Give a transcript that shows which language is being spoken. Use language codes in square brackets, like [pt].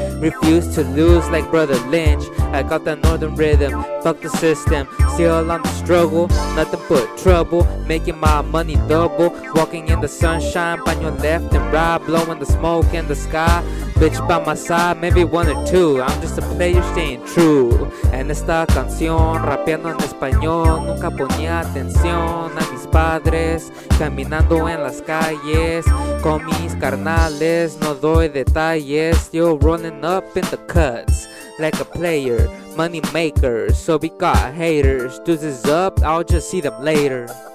[en] Refuse to lose like Brother Lynch. I got that northern rhythm, fuck the system. Still on the struggle, nothing but trouble. Making my money double, walking in the sunshine. By your left and right, blowing the smoke in the sky. Bitch by my side, maybe one or two. I'm just a player staying true. [es] En esta canción, rapeando en español. Nunca ponía atención a mis padres. Caminando en las calles con mis carnales. No doy detalles. [en] Still rolling up in the cuts like a player, money maker. So we got haters. Dudes is up, I'll just see them later.